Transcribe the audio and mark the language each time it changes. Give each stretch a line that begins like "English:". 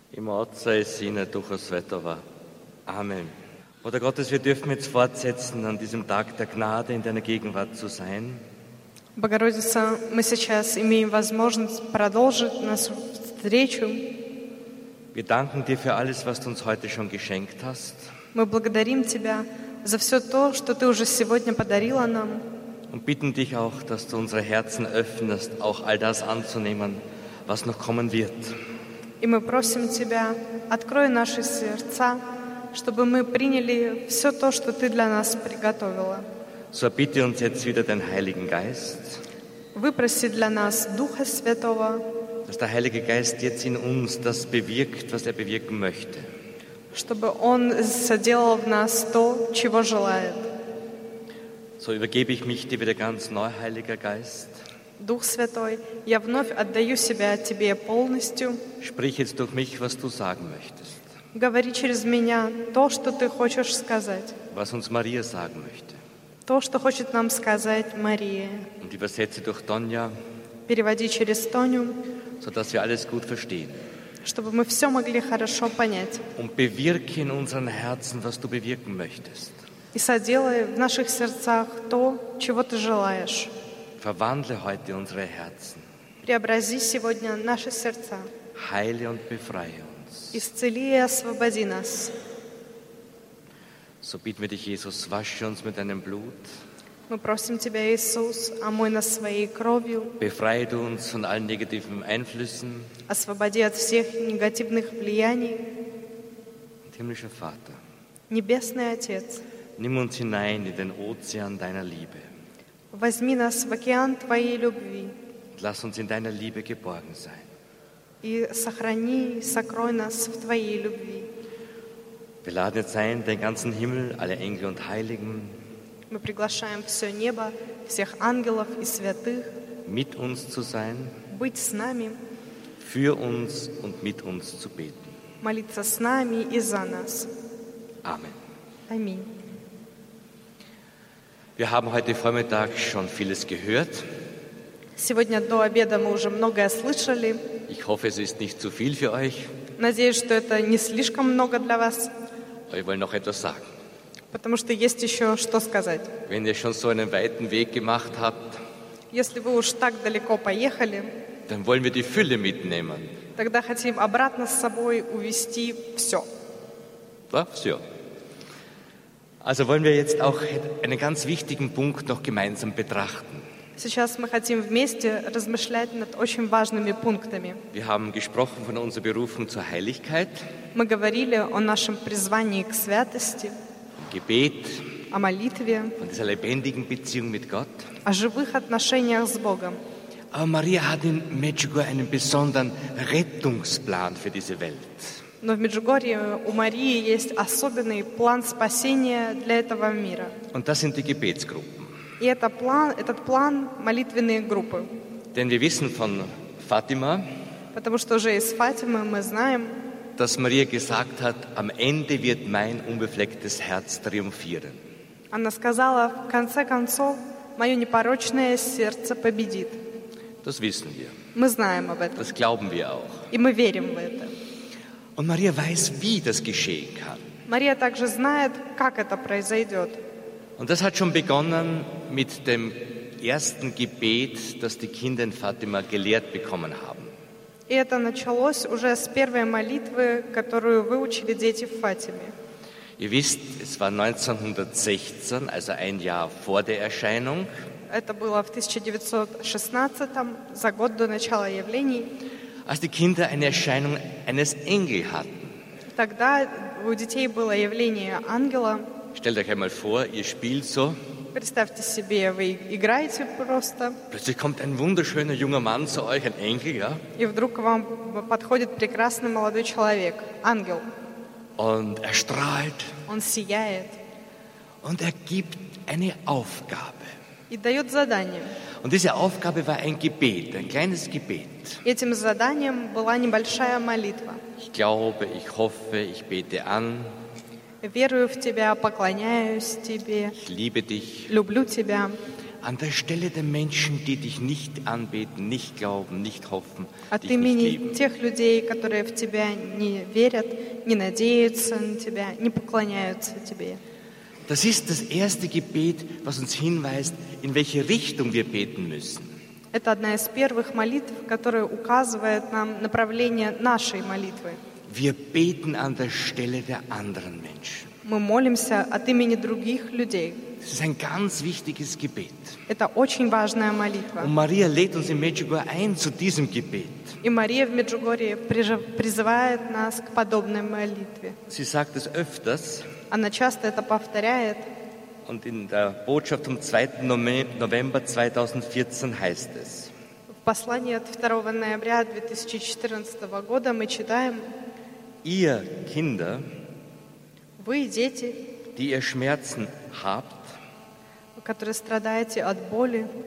Russian: Im Otze, im Sinne, Ducha Svetova. Amen.
German: Vater Gottes, wir dürfen jetzt fortsetzen, an diesem Tag der Gnade in deiner Gegenwart zu sein.
Russian: Богородица, мы сейчас имеем возможность продолжить нашу встречу.
German: Wir danken dir für alles, was du uns heute schon geschenkt hast.
Russian: Мы благодарим тебя за все то, что ты уже сегодня подарила нам.
German: Und bitten dich auch, dass du unsere Herzen öffnest, auch all das anzunehmen, was noch kommen wird.
Russian: И мы просим тебя, открой наши сердца, чтобы мы приняли все то, что ты для нас приготовила.
German: So erbitte uns jetzt wieder den Heiligen Geist.
Russian: Выпроси для нас Духа Святого.
German: Dass der Heilige Geist jetzt in uns das bewirkt, was er bewirken möchte.
Russian: Чтобы он соделал в нас то, чего желает.
German: So übergebe ich mich dir wieder ganz neu, Heiliger Geist.
Russian: Дух Святой, я вновь отдаю себя тебе полностью.
German: Sprich jetzt durch mich, was du sagen möchtest.
Russian: Говори через меня то, что ты хочешь сказать.
German: Was uns Maria sagen möchte.
Russian: То, что хочет нам сказать Мария.
German: Und übersetze durch Tonja.
Russian: Переводи через Тоню.
German: So dass wir alles gut verstehen.
Russian: Чтобы мы все могли хорошо понять.
German: Und bewirke in unseren Herzen, was du bewirken möchtest.
Russian: И соделай в наших сердцах то, чего ты желаешь.
German: Verwandle heute unsere Herzen.
Russian: Преобрази сегодня наши сердца.
German: Heile und befreie uns.
Russian: Исцели и освободи нас.
German: So bitten wir dich, Jesus, wasche uns mit deinem Blut.
Russian: Мы просим тебя, Иисус, омой нас своей кровью.
German: Befreie du uns von allen negativen Einflüssen.
Russian: Освободи от всех негативных влияний.
German: Und himmlischer Vater.
Russian: Небесный Отец.
German: Nimm uns hinein in den Ozean deiner Liebe.
Russian: Возьми нас в океан твоей любви.
German: Lass uns in deiner Liebe geborgen sein.
Russian: И сохрани, сокрой нас в твоей любви.
German: Wir laden jetzt ein, den ganzen Himmel, alle Engel und Heiligen.
Russian: Мы приглашаем все небо, всех ангелов и святых.
German: Mit uns zu sein.
Russian: Быть с нами.
German: Für uns und mit uns zu beten.
Russian: Молиться с нами и за нас.
German: Amen.
Russian: Аминь.
German: Wir haben heute Vormittag schon vieles gehört.
Russian: Сегодня до обеда мы уже многое слышали.
German: Ich hoffe, es ist nicht zu viel für euch.
Russian: Надеюсь, что это не слишком много для вас.
German: Wir wollen noch etwas sagen.
Russian: Потому что есть еще что сказать.
German: Wenn ihr schon so einen weiten Weg gemacht habt,
Russian: если вы уж так далеко поехали,
German: dann wollen wir die Fülle mitnehmen.
Russian: Тогда хотим обратно с собой увести все. Да, все.
German: Also wollen wir jetzt auch einen ganz wichtigen Punkt noch gemeinsam betrachten.
Russian: Сейчас мы хотим вместе размышлять над очень важными пунктами.
German: Wir haben gesprochen von unserer Berufung zur Heiligkeit.
Russian: Мы говорили о нашем призвании к святости.
German: Gebet.
Russian: О молитве.
German: Von dieser lebendigen Beziehung mit Gott.
Russian: О живых отношениях с Богом.
German: Aber Maria hat in Medjugorje einen besonderen Rettungsplan für diese Welt.
Russian: Но в Меджугорье у Марии есть особенный план спасения для этого мира.
German: Und das sind die Gebetsgruppen.
Russian: И это план, этот план молитвенные группы.
German: Denn wir wissen von Fatima,
Russian: потому что уже из Фатимы мы знаем,
German: dass Maria gesagt hat, am Ende wird mein unbeflecktes Herz triumphieren.
Russian: Она сказала, в конце концов, мое непорочное сердце победит.
German: Das wissen wir.
Russian: Мы знаем об этом.
German: Das glauben wir auch.
Russian: И мы верим в это.
German: Und Maria weiß, wie das geschehen kann.
Russian: Maria также знает, как это произойдет.
German: Und das hat schon begonnen mit dem ersten Gebet, das die Kinder in Fatima gelehrt bekommen haben.
Russian: И это началось уже с первой молитвы, которую выучили дети в Фатиме.
German: Ihr wisst, es war 1916, also ein Jahr vor der Erscheinung.
Russian: Это было в 1916, за год до начала явлений.
German: Als die Kinder eine Erscheinung eines Engels hatten.
Russian: Тогда у детей было явление ангела.
German: Stellt euch einmal vor, ihr spielt so.
Russian: Представьте себе, вы играете просто.
German: Plötzlich kommt ein wunderschöner junger Mann zu euch, ein Engel, ja?
Russian: И вдруг вам подходит прекрасный молодой человек, ангел.
German: Und er strahlt.
Russian: Он сияет.
German: Und er gibt eine Aufgabe.
Russian: И дает задание.
German: Und diese Aufgabe war ein Gebet, ein kleines Gebet.
Russian: Этим заданием была небольшая молитва.
German: Ich glaube, ich hoffe, ich bete an.
Russian: Верую в тебя, поклоняюсь тебе.
German: Ich liebe dich.
Russian: Люблю тебя.
German: an der Stelle der Menschen, die dich nicht anbeten, nicht glauben, nicht hoffen, от dich имени nicht lieben.
Russian: Тех людей, которые в тебя не верят, не надеются на тебя, не поклоняются тебе.
German: Das ist das erste Gebet, was uns hinweist, in welche Richtung wir beten müssen.
Russian: Это одна из первых молитв, которая указывает нам направление нашей молитвы.
German: Wir beten an der Stelle der anderen Menschen.
Russian: Мы молимся от имени других людей.
German: Es ist ein ganz wichtiges Gebet.
Russian: Это очень важная молитва.
German: Und Maria lädt uns in Medjugorje ein zu diesem Gebet.
Russian: И Мария в Меджугорье призывает нас к подобной молитве.
German: Sie sagt es öfters.
Russian: Она часто это повторяет.
German: Und in der Botschaft vom 2. November 2014 heißt es.
Russian: В послании от 2 ноября 2014 года мы читаем:
German: Ihr Kinder,
Russian: вы дети,
German: die ihr Schmerzen habt,
Russian: которые страдаете от боли,